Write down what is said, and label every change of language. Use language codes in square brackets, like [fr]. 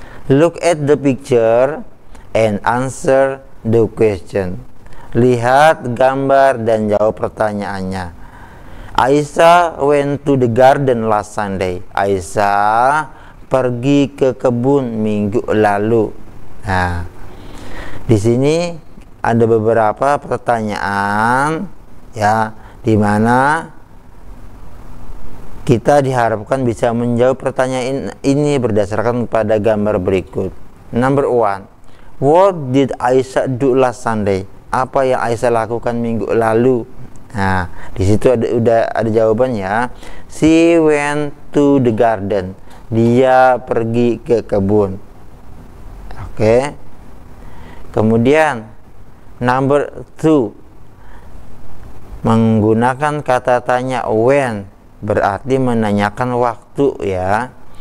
[en] Look at the picture and answer the question. [id] Lihat gambar dan jawab pertanyaannya. [en] Aisyah went to the garden last Sunday. [id] Aisyah pergi ke kebun minggu lalu. Nah, di sini ada beberapa pertanyaan ya, di mana kita diharapkan bisa menjawab pertanyaan ini berdasarkan pada gambar berikut. [en] Number one, what did Aisyah do last Sunday? [id] Apa yang Aisyah lakukan minggu lalu? Nah, di situ ada, udah ada jawabannya. [en] She went to the garden. [id] Dia pergi ke kebun. [en] Oke. [id] Kemudian [en] number two, [id] menggunakan kata tanya when, berarti menanyakan waktu ya.